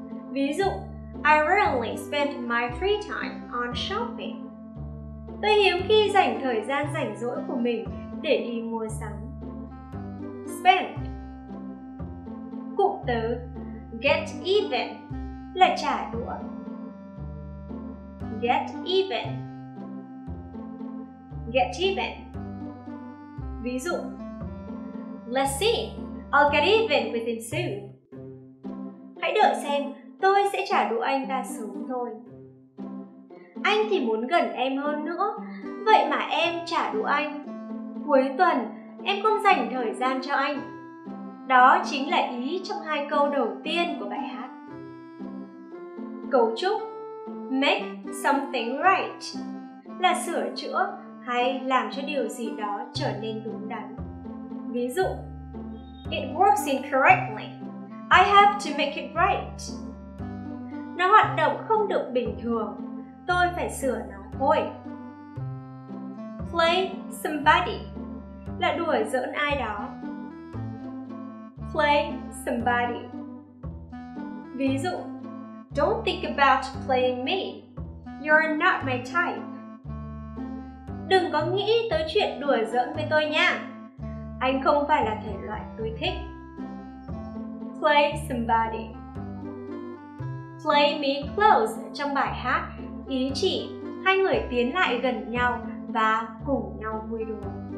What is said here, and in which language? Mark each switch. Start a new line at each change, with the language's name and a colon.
Vietnamese: Ví dụ,
English: I rarely spend my free time on shopping.
Vietnamese: Tôi hiếm khi dành thời gian rảnh rỗi của mình để đi mua sắm. Spend. Cụm từ get even là trả đũa.
English: Get even. Get even.
Vietnamese: Ví dụ,
English: let's see, I'll get even with him soon.
Vietnamese: Hãy đợi xem, tôi sẽ trả đũa anh ta sớm thôi. Anh thì muốn gần em hơn nữa, vậy mà em trả đũa anh. Cuối tuần, em không dành thời gian cho anh. Đó chính là ý trong hai câu đầu tiên của bài hát. Cấu trúc make something right là sửa chữa hay làm cho điều gì đó trở nên đúng đắn. Ví dụ,
English: it works incorrectly. I have to make it right.
Vietnamese: Nó hoạt động không được bình thường. Tôi phải sửa nó thôi. Play somebody là đùa giỡn ai đó.
English: Play somebody.
Vietnamese: Ví dụ,
English: don't think about playing me. You're not my type.
Vietnamese: Đừng có nghĩ tới chuyện đùa giỡn với tôi nha. Anh không phải là thể loại tôi thích.
English: Play somebody. Play me close
Vietnamese: trong bài hát ý chỉ hai người tiến lại gần nhau và cùng nhau vui đùa.